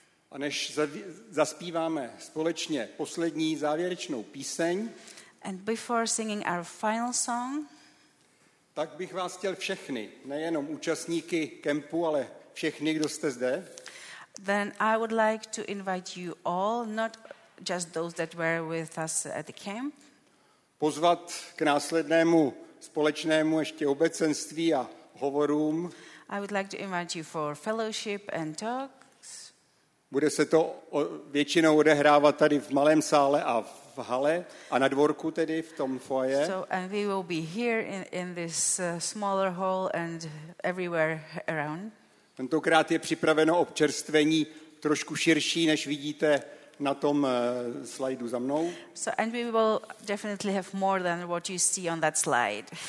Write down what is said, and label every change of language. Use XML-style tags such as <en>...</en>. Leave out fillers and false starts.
<cs>A než zaspíváme společně poslední závěrečnou píseň,</cs> <en>and before singing our final song,</en> <cs>tak bych vás chtěl všechny, nejenom účastníky kempu, ale všechny, kdo jste zde,</cs> <en>then I would like to invite you all, not just those that were with us at the camp,</en> <cs>pozvat k následnému společnému ještě obecenství a hovorům.</cs> <en>I would like to invite you for fellowship and talks.</en> <cs>Bude se to většinou odehrávat tady v malém sále a v hale a na dvorku tedy v tom foyer.</cs> <en>So and we will be here in this smaller hall and everywhere around.</en> <cs>Tentokrát je připraveno občerstvení trošku širší, než vidíte na tom slajdu za mnou.</cs> <en>So and we will definitely have more than what you see on that slide.</en>